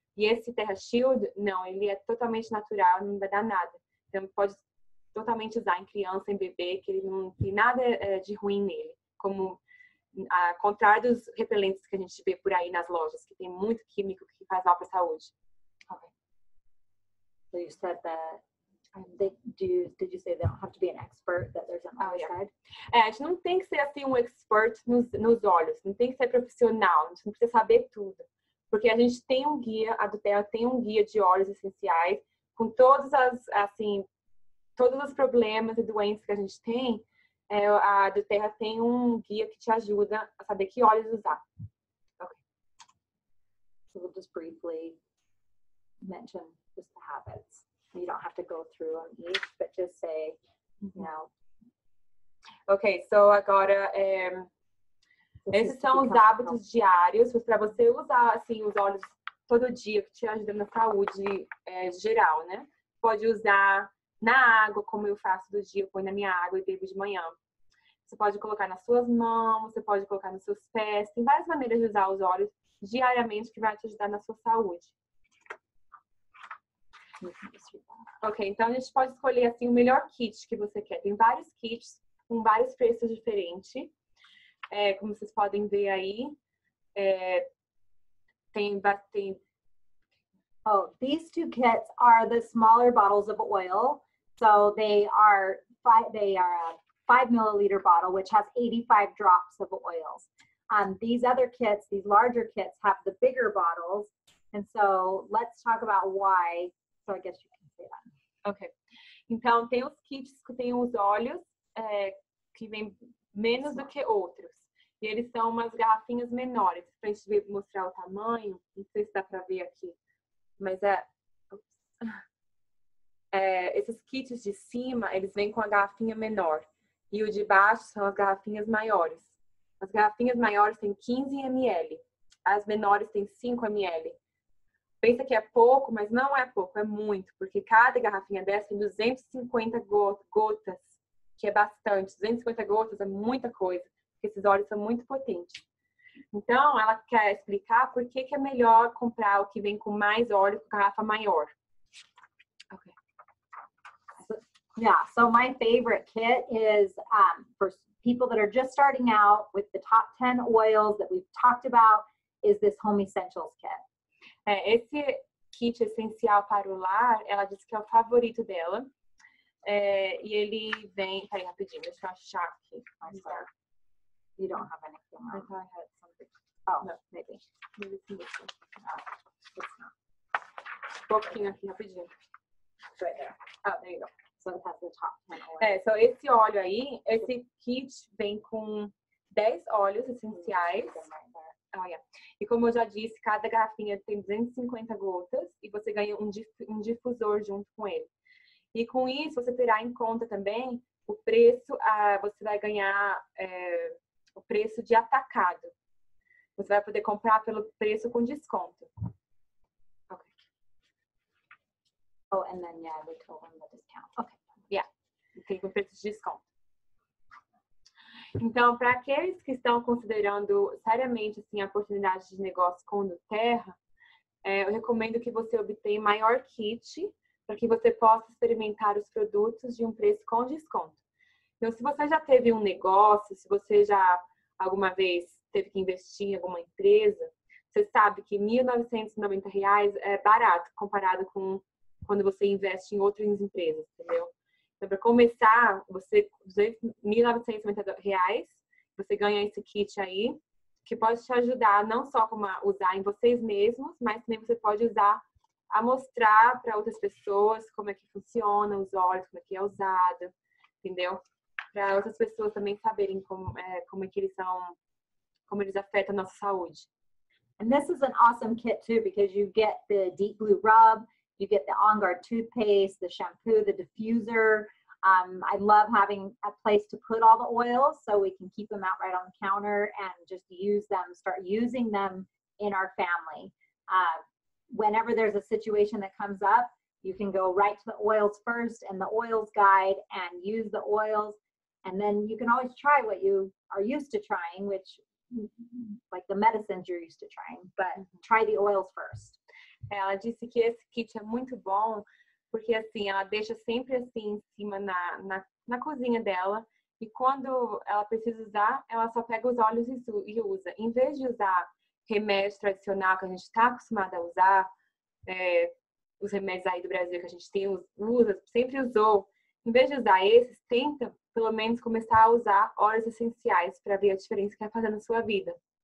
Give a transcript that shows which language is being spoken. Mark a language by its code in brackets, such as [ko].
[pt] E esse Terra Shield, não, ele é totalmente natural, não vai dar nada. Então, pode totalmente usar em criança, em bebê, que ele não tem nada de ruim nele. Como. Ao contrário dos repelentes que a gente vê por aí nas lojas, que tem muito químico que faz mal para a saúde. [en] Okay. So you said that did you say they don't have to be an expert, that there's an other side? Yeah. [pt] A gente não tem que ser assim um expert nos olhos, não tem que ser profissional, a gente não precisa saber tudo. Porque a gente tem um guia, a do Terra tem um guia de óleos essenciais, com todas as assim, todos os problemas e doenças que a gente tem. É, a do Terra tem um guia que te ajuda a saber que óleos usar. [en] Ok. So we'll just briefly mention just the habits. You don't have to go through on each, but just say, you know. [pt] Ok, so agora, esses são os hábitos diários para você usar, assim, os óleos todo dia, que te ajudam na saúde geral, né? Pode usar na água, como eu faço do dia, eu ponho na minha água e bebo de manhã. Você pode colocar nas suas mãos, você pode colocar nos seus pés. Tem várias maneiras de usar os óleos diariamente que vai te ajudar na sua saúde. Ok, então a gente pode escolher assim o melhor kit que você quer. Tem vários kits com vários preços diferentes. É, como vocês podem ver aí, tem... [en] Oh, these two kits are the smaller bottles of oil. So they are a 5-milliliter bottle, which has 85 drops of oils. These other kits, these larger kits, have the bigger bottles. And so let's talk about why. So I guess you can say that. Okay. [pt] Então, tem os kits que tem os óleos que vem menos do que outros. E eles são umas garrafinhas menores. Pra gente ver, mostrar o tamanho, não sei se dá pra ver aqui. Mas esses kits de cima, eles vêm com a garrafinha menor. E o de baixo são as garrafinhas maiores. As garrafinhas maiores têm 15 ml. As menores têm 5 ml. Pensa que é pouco, mas não é pouco, é muito. Porque cada garrafinha dessa tem 250 gotas, que é bastante. 250 gotas é muita coisa, porque esses óleos são muito potentes. Então, ela quer explicar por que é melhor comprar o que vem com mais óleo, com garrafa maior. [en] Ok. Yeah, so my favorite kit is for people that are just starting out with the top 10 oils that we've talked about is this Home Essentials kit. [pt] Esse kit essencial para o lar, ela disse que é o favorito dela. E ele vem, peraí rapidinho, deixa eu achar aqui. [en] I'm sorry. You don't have anything on. I thought I had something. Oh, no, maybe. Maybe it's missing. No, it's not. [pt] Pouquinho aqui, rapidinho. [en] Right there. Oh, there you go. So it has the top 10 oils. [pt] Esse óleo aí, esse kit vem com 10 óleos essenciais. [en] Oh, yeah. [pt] E como eu já disse, cada garrafinha tem 250 gotas e você ganha um difusor junto com ele. E com isso, você terá em conta também o preço, você vai ganhar o preço de atacado. Você vai poder comprar pelo preço com desconto. [en] Oh, and then, yeah, we told them the discount. Okay. Yeah. [pt] Tem com preço de desconto. Então, para aqueles que estão considerando seriamente, assim, a oportunidade de negócio com o Terra, eu recomendo que você obtenha maior kit para que você possa experimentar os produtos de um preço com desconto. Então, se você já teve um negócio, se você já alguma vez teve que investir em alguma empresa, você sabe que R$1.990 é barato comparado com quando você investe em outras empresas, entendeu? Então, para começar, você R$1.990, você ganha esse kit aí, que pode te ajudar não só como usar em vocês mesmos, mas também você pode usar a mostrar para outras pessoas como é que funciona os óleos, como é que é usado, entendeu? Para outras pessoas também saberem como é que eles são, como eles afetam a nossa saúde. [en] And this is an awesome kit too, because you get the deep blue rub, you get the On Guard toothpaste, the shampoo, the diffuser. I love having a place to put all the oils so we can keep them out right on the counter and just use them, start using them in our family. Whenever there's a situation that comes up, you can go right to the oils first and the oils guide and use the oils. And then you can always try what you are used to trying, which like the medicines you're used to trying, but try the oils first. [pt] Ela disse que esse kit é muito bom, porque assim, ela deixa sempre assim em cima na cozinha dela, e quando ela precisa usar, ela só pega os óleos e usa. Em vez de usar remédio tradicional que a gente está acostumada a usar, os remédios aí do Brasil que a gente tem, usa, sempre usou, em vez de usar esses, tenta pelo menos começar a usar óleos essenciais para ver a diferença que vai fazer na sua vida.